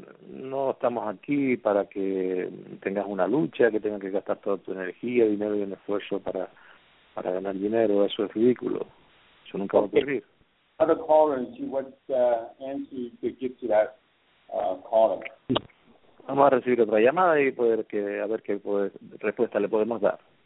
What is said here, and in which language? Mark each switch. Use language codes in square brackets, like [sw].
[es] No estamos aquí para que tengas una lucha, que tengas que gastar toda tu energía, dinero y un esfuerzo para ganar dinero. Eso es ridículo. Eso nunca va a ocurrir. [en] Other caller, see what answer you could give to that caller. [es] Vamos a recibir otra llamada y poder que a ver qué respuesta le podemos dar.